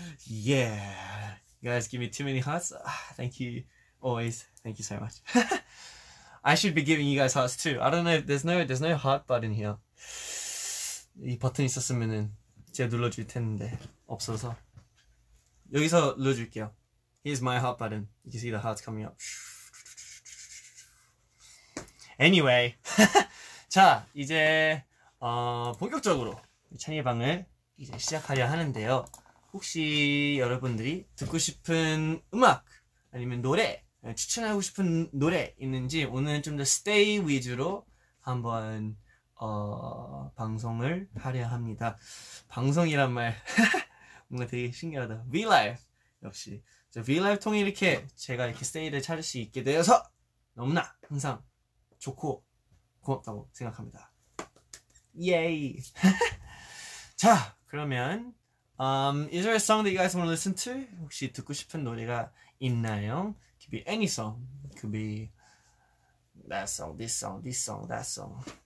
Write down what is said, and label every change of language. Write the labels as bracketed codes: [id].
[en] Yeah, you guys give me too many hearts. Thank you, always. Thank you so much. I should be giving you guys hearts too. I don't know. There's no heart button here. [ko] 이 버튼 있었으면은 제가 눌러줄 텐데 없어서 여기서 눌러줄게요. [en] Here's my heart button. You can see the hearts coming up. [ko] Anyway, 자 이제 본격적으로 찬이의 방을 이제 시작하려 하는데요. 혹시 여러분들이 듣고 싶은 음악 아니면 노래 추천하고 싶은 노래 있는지 오늘은 좀 더 stay 위주로 한번 방송을 하려 합니다. 방송이란 말 뭔가 되게 신기하다. Vlive 역시 Vlive 통해 이렇게 제가 이렇게 세일을 찾을 수 있게 되어서 너무나 항상 좋고 고맙다고 생각합니다. 예이. [en] 자, 그러면 is there a song that you guys want to listen to? [ko] 혹시 듣고 싶은 노래가 있나요? [en] Could be any song. Could be that song, this song, this song, that song.